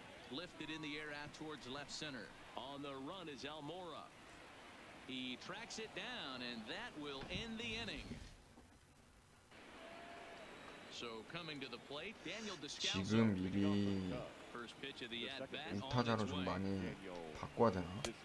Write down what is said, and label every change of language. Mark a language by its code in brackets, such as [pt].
[en] 리프티드 인 더 에어 아웃 투워드 레프트 센터. 온 더 런 이즈 엘모라. He tracks it down and that will end the inning. So coming to the plate, Daniel Descalzo. [ko] 지금 미리 2타자로 좀 많이 바꿔야 되나?